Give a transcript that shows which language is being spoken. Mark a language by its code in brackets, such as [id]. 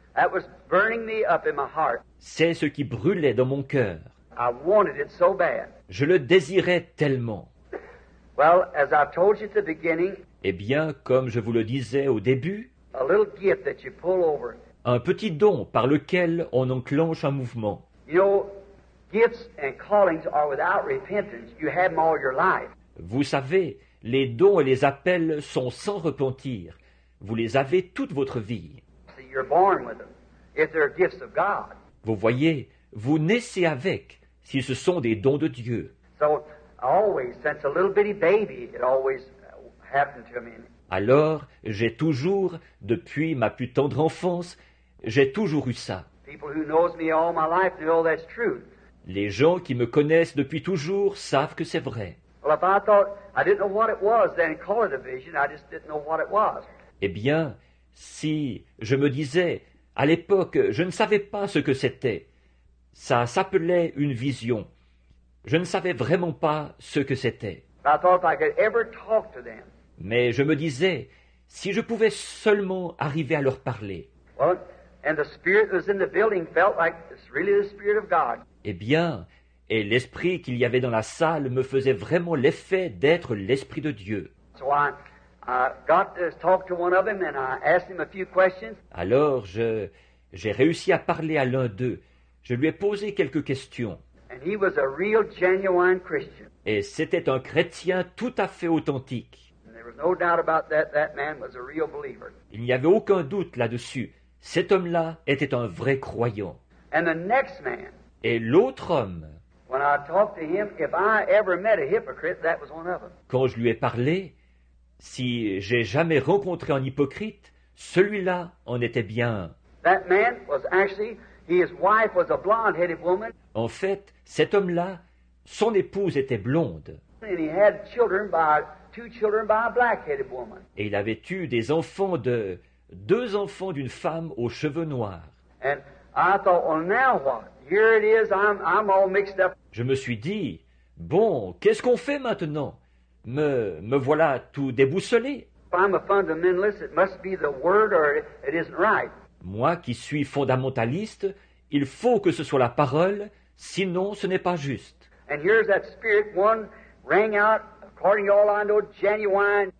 [en] That was burning me up in my heart. [fr] C'est ce qui brûlait dans mon cœur. [en] I wanted it so bad. [fr] Je le désirais tellement. [en] Well, as I told you at the beginning, [fr] eh bien, comme je vous le disais au début, [en] a little gift that you pull over. [fr] Un petit don par lequel on enclenche un mouvement. [en] You know, gifts and callings are without repentance. You have them all your life. [fr] Vous savez, les dons et les appels sont sans repentir. Vous les avez toute votre vie. [en] See, you're born with them, if they're gifts of God. [fr] Vous voyez, vous naissez avec, si ce sont des dons de Dieu. [en] So, always, since a little bitty baby, it always happened to me. [fr] Alors, j'ai toujours, depuis ma plus tendre enfance, j'ai toujours eu ça. [en] People who knows me all my life know that's true. [fr] Les gens qui me connaissent depuis toujours savent que c'est vrai. [en] Well, if I thought, I didn't know what it was, then call it a vision, I just didn't know what it was. [fr] Eh bien, si je me disais, à l'époque, je ne savais pas ce que c'était, ça s'appelait une vision. Je ne savais vraiment pas ce que c'était. [en] But I thought if I could ever talk to them. [fr] Mais je me disais, si je pouvais seulement arriver à leur parler. [en] Well, and the spirit that was in the building felt like it's really the spirit of God. [fr] Eh bien, et l'esprit qu'il y avait dans la salle me faisait vraiment l'effet d'être l'esprit de Dieu. [en] So I got to talk to one of them and I asked him a few questions. [fr] Alors j'ai réussi à parler à l'un d'eux. Je lui ai posé quelques questions. [en] And he was a real genuine Christian. [fr] Et c'était un chrétien tout à fait authentique. [en] No doubt about that, that man was a real believer. [fr] Il n'y avait aucun doute là-dessus. Cet homme-là était un vrai croyant. [en] And the next man. [fr] Et l'autre homme. [en] When I talked to him, if I ever met a hypocrite, that was one of them. [fr] Quand je lui ai parlé, si j'ai jamais rencontré un hypocrite, celui-là en était bien. [en] That man was actually, his wife was a blonde-headed woman. [fr] En fait, cet homme-là, son épouse était blonde. [en] And he had children by two children by a black-headed woman. [fr] Et il avait eu des enfants de deux enfants d'une femme aux cheveux noirs. [en] And I thought, well, now what? Here it is, I'm all mixed up. [fr] Je me suis dit, bon, qu'est-ce qu'on fait maintenant? Me voilà tout déboussolé. [en] If I'm a fundamentalist, it must be the word or it isn't right. [fr] Moi qui suis fondamentaliste, il faut que ce soit la parole, sinon ce n'est pas juste. [en] And here's that spirit one rang out. According to all I know, genuine.